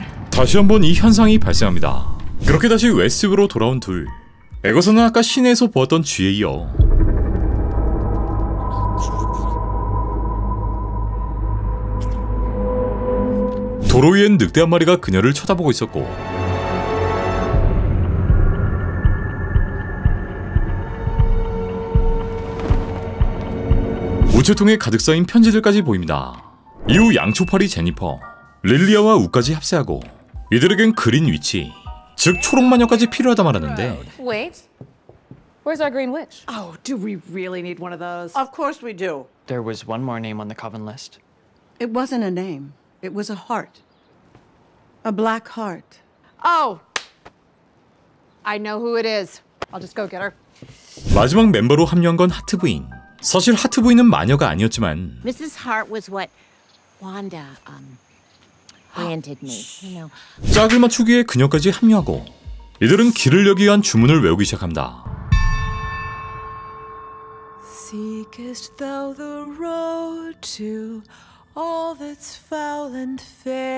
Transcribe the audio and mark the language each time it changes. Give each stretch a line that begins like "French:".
Korean: 다시 한번 이 현상이 발생합니다. 그렇게 다시 웨스브로 돌아온 둘, 에거서는 아까 시내에서 보았던 쥐에 이어 도로 위엔 늑대 한 마리가 그녀를 쳐다보고 있었고, 우체통에 가득 쌓인 편지들까지 보입니다. 이후 양초파리 제니퍼, 릴리아와 우까지 합세하고, 이들에겐 그린 위치, 즉 초록 마녀까지 필요하다 말하는데,
English: Wait. Where's our green witch? Oh, do we really need one of those? Of course we do. There was one more name on the coven list. It wasn't a name. It was a heart. A black heart. Oh. I know who it is. I'll just go get her.
Korean: 마지막 멤버로 합류한 건 하트 부인. 사실 하트 부인은 마녀가 아니었지만,
English: Mrs. Heart was what Wanda granted me, you know.
Korean: 짝을 맞추기에 그녀까지 합류하고, 이들은 길을 여기 위한 주문을 외우기 시작합니다.
English: Seekest thou the road to all that's foul and fair?